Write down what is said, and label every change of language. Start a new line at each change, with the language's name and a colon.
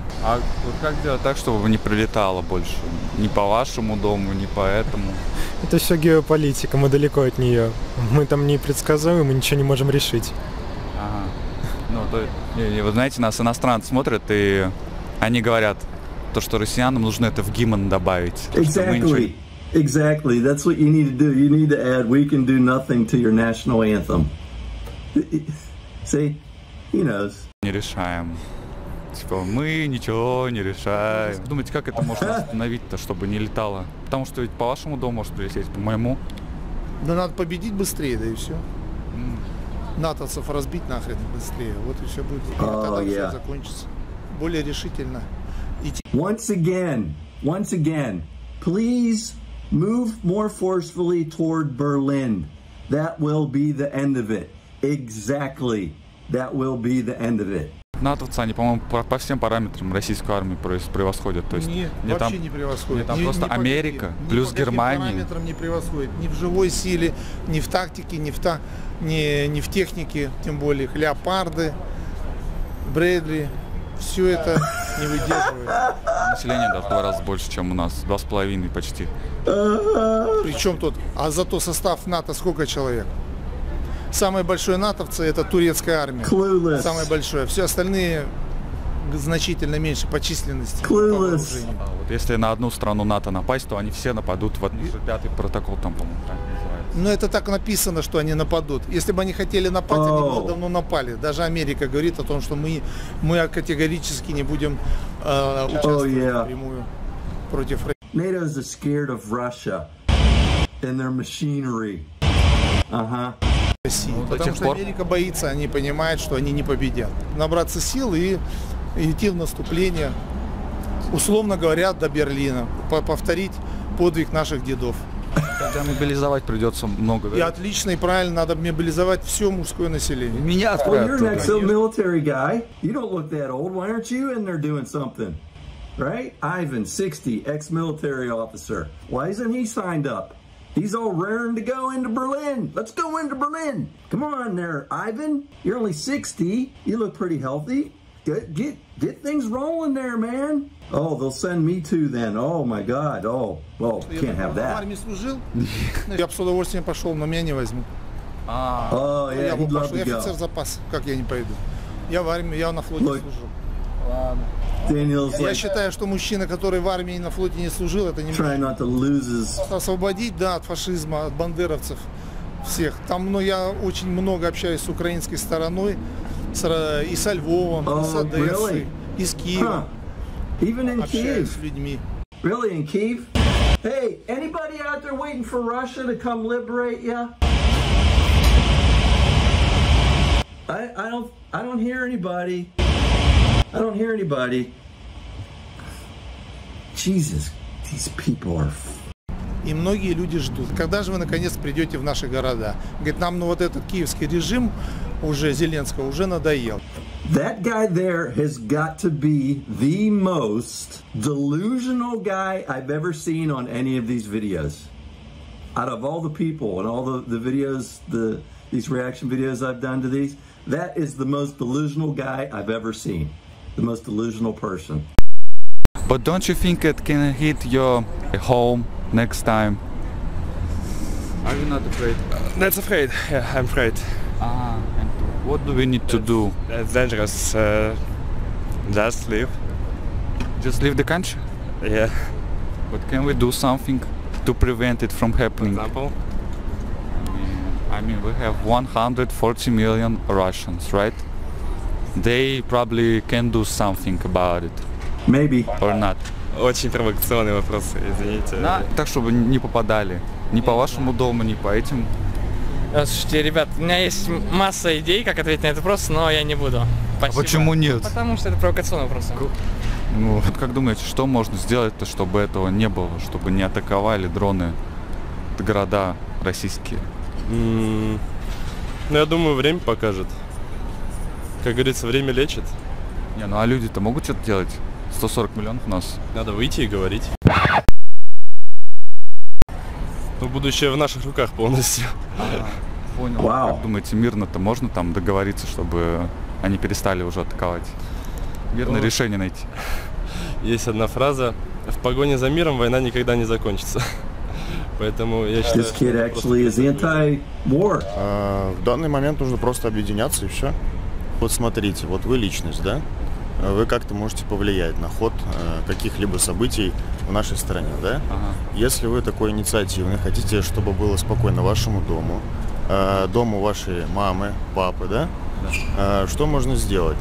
Russian: А вот как делать так, чтобы не прилетало больше? Не по вашему дому, не по этому? Это все геополитика, мы далеко от нее. Мы там не предсказуем и ничего не можем решить. Ага. Ну, то есть, вы знаете, нас иностранцы смотрят, и они говорят, то, что россиянам нужно это в гимн добавить.
English: Exactly. Exactly. That's what you need to do. You need to add "We can do nothing" to your national anthem. See? He knows.
Russian: Не решаем. Типа, мы ничего не решаем. Думаете, как это можно остановить-то, чтобы не летало? Потому что ведь по вашему дому может прилететь, по моему. Да надо победить быстрее, да и все. Натовцев разбить нахрен быстрее. Вот и все будет. И тогда все закончится. Более решительно.
English: Once again, please move more forcefully toward Berlin. That will be the end of it. Exactly. That will be the end of it.
Russian: Натовцы, они, по-моему, по всем параметрам российскую армию превосходят. То есть, нет, вообще не превосходят. Нет, там просто не Америка по, плюс по Германия. Ни по параметрам не превосходят. Ни в живой силе, ни в тактике, ни в технике, тем более. Леопарды, Брэдли, все это не выдерживает. Население даже в два раза больше, чем у нас. 2.5 почти. Причем тут? А зато состав НАТО сколько человек? Самое большое натовцы – это турецкая армия.
English: Clueless.
Russian: Самое большое. Все остальные значительно меньше по численности.
English: Clueless.
Russian: По вот если на одну страну НАТО напасть, то они все нападут в 5-й протокол, там, по-моему, так называется. Но это так написано, что они нападут. Если бы они хотели напасть, они бы уже давно напали. Даже Америка говорит о том, что мы категорически не будем участвовать напрямую против России.
English: NATO is scared of Russia and their machinery.
Russian: Ну, потому что Америка боится, они понимают, что они не победят. Набраться сил и идти в наступление, условно говоря, до Берлина. Повторить подвиг наших дедов. Хотя мобилизовать придется много. И отлично, и правильно, надо мобилизовать все мужское население. Меня отправят.
English: You're an ex-military guy. You don't look that old. Why aren't you in there doing something? Right? Ivan, 60, ex-military officer. Why isn't he signed up? He's all raring to go into Berlin. Let's go into Berlin. Come on there, Ivan. You're only 60. You look pretty healthy. Get things rolling there, man. Oh, they'll send me too then. Oh, my God. Oh, well, can't have that.
Russian: Я в армии служил. Я бы с удовольствием пошел, но меня не возьмут.
English: Yeah, he'd love to go.
Russian: Я офицер запас. Как я не пойду? Я в армии, я на флоте служил. Я считаю, что мужчина, который в армии и на флоте не служил, это не может освободить, да, от фашизма, от бандеровцев всех. Там, но я очень много общаюсь с украинской стороной, и со Львовом, и с Одессой, и с Киевом.
English: Even in
Russian: общаюсь Kiev. С людьми.
English: Really in Kiev? Hey, anybody out there waiting for Russia to come liberate you? I don't hear anybody. I don't hear anybody. Jesus, these people are.
Russian: И многие люди ждут, когда же вы наконец придете в наши города. Говорит, нам вот этот киевский режим уже Зеленского уже надоел.
English: That guy there has got to be the most delusional guy I've ever seen on any of these videos. Out of all the people and all the videos, these reaction videos I've done to these, that is the most delusional guy I've ever seen. The most delusional person. But don't you think it can hit your home next time? Are you not afraid? That's afraid. Yeah, I'm afraid. And what do we need that's to do? That's dangerous. Just leave. Just leave the country? Yeah. But can we do something to prevent it from happening? For example? I mean, we have 140 million Russians, right? They probably can do something about it. Maybe. Or not.
Russian: Очень провокационный вопрос, извините. Да, так, чтобы не попадали. Ни по вашему дому, ни по этим. Слушайте, ребят, у меня есть масса идей, как ответить на этот вопрос, но я не буду. Спасибо. А почему нет? Потому что это провокационный вопрос. Ну, вот как думаете, что можно сделать-то, чтобы этого не было, чтобы не атаковали дроны города российские? Ну, я думаю, время покажет. Как говорится, время лечит. Не, ну а люди-то могут что-то делать? 140 миллионов у нас. Надо выйти и говорить. Ну, будущее в наших руках полностью. А, понял. Вау. Как думаете, мирно-то можно там договориться, чтобы они перестали уже атаковать? Мирное решение найти. Есть одна фраза. В погоне за миром война никогда не закончится. Поэтому я считаю, что...
English: This kid actually is anti-war.
Russian: В данный момент нужно просто объединяться и все. Вот смотрите, вот вы личность, да? Вы как-то можете повлиять на ход каких-либо событий в нашей стране, да? Ага. Если вы такой инициативный, хотите, чтобы было спокойно вашему дому, дому вашей мамы, папы, да? Что можно сделать?